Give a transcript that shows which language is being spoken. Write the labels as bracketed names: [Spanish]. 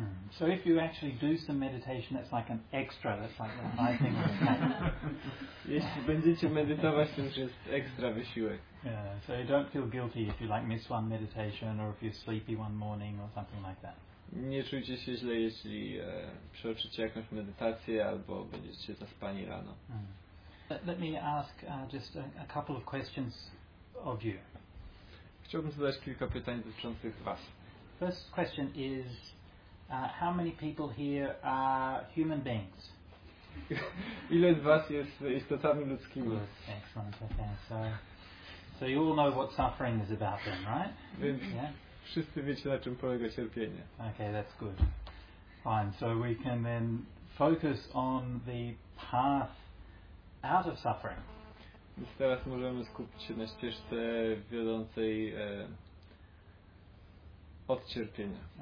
[English] So if you actually do some meditation, that's like an extra, that's like the high thing. [Polish] Jeśli będziecie medytować, to już jest ekstra wysiłek. [English] Yeah, so you don't feel guilty if you like miss one meditation or if you're sleepy one morning or something like that. [Polish] Nie czujcie się źle, jeśli przeoczycie jakąś medytację albo będziecie zaspani rano. [English] Let me ask just a couple of questions of you. [Polish] Chciałbym zadać kilka pytań dotyczących was. [English] First question is, how many people here are human beings? [Polish] Ile z was jest istotami ludzkimi? [English] Good. Excellent. Okay. So you all know what suffering is about then, right? Yeah? [Polish] Wszyscy wiecie, na czym polega cierpienie. [English] Okay, that's good. Fine. So we can then focus on the path out of suffering. [Polish] Więc teraz możemy skupić się na ścieżce wiodącej od cierpienia.